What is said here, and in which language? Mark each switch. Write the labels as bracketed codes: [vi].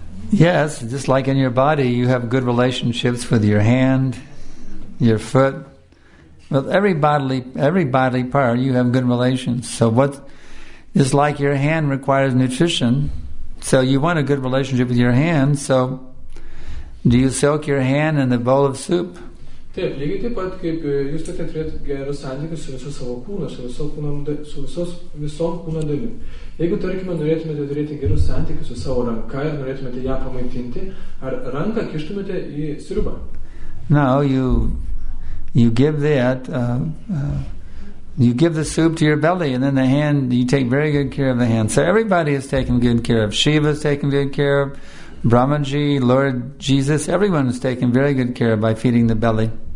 [en] Yes, just like in your body, you have good relationships with your hand, your foot. With every bodily part, you have good relations. So what? Just like your hand requires nutrition, so you want a good relationship with your hand, so do you soak your hand in the bowl of soup? [lt] Taip, lygiai taip pat, kaip jūs turite turėti gerus santykius su visu savo kūnu, su visom kūno dalim. Jeigu, tarkime, norėtumėte turėti gerus santykius su savo ranka ir norėtumėte ją pamaitinti, ar ranką kištumėte į sriubą? [en] Now you give that you give the soup to your belly, and then the hand, you take very good care of the hand. So everybody is taken good care of. Shiva is taken good care of. Brahmaji, Lord Jesus, everyone is taken very good care of by feeding the belly.